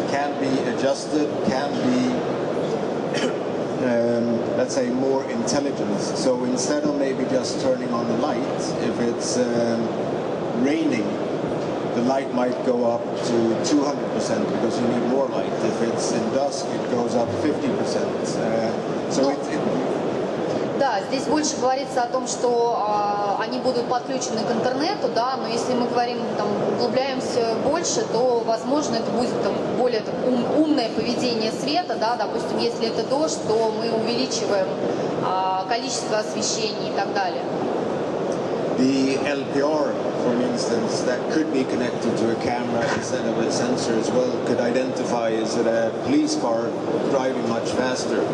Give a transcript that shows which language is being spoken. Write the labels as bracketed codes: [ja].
[en] Can be adjusted, can be, let's say, more intelligent. So instead of maybe just turning on the light, if it's raining, the light might go up to 200% because you need more light. If it's in dusk, it goes up 50%. [ru] Да, здесь больше говорится о том, что они будут подключены к интернету, да, но если мы говорим, там, углубляемся больше, то, возможно, это будет там, более так, умное поведение света, да, допустим, если это дождь, то мы увеличиваем количество освещений и так далее. [en] The LPR, for instance, that could be connected to a camera instead of a sensor as well, could identify is it a police car driving much faster.